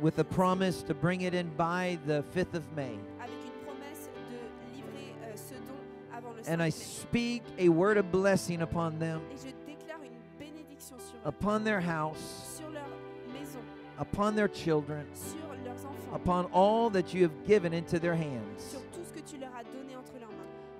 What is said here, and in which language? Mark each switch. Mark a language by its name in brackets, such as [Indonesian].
[English] With a promise to bring it in by the 5th of May. [French] Avec une promesse de livrer ce don avant le 5 [English] and [French] mai. [English] I speak a word of blessing upon them. [French] Et je déclare une bénédiction sur [English] upon their house. [French] Sur leur maison. [English] Upon their children. [French] Sur leurs enfants. [English] Upon all that you have given into their hands. [French] Sur tout ce que tu leur as donné entre leurs mains.